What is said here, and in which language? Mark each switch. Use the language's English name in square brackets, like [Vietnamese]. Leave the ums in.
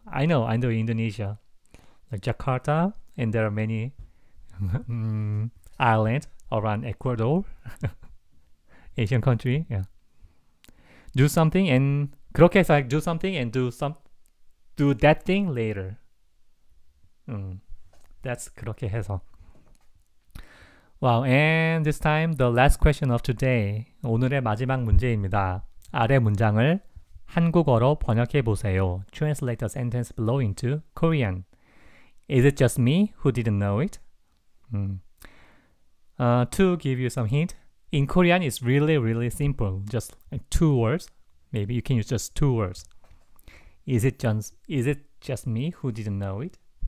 [English] I know, I know Indonesia Jakarta and there are many i s l a n d around Ecuador Asian country yeah. do something and [Korean] 그렇게 해서 [English] do something and do some do that thing later that's 그렇게 해서 Wow, and this time the last question of today. [Korean] 오늘의 마지막 문제입니다. 아래 문장을 한국어로 번역해 보세요. [English] Translate the sentence below into Korean. Is it just me who didn't know it? Mm. Uh, to give you some hint, in Korean it's really, really simple. Just like two words. Maybe you can use just two words. Is it just, is it just me who didn't know it?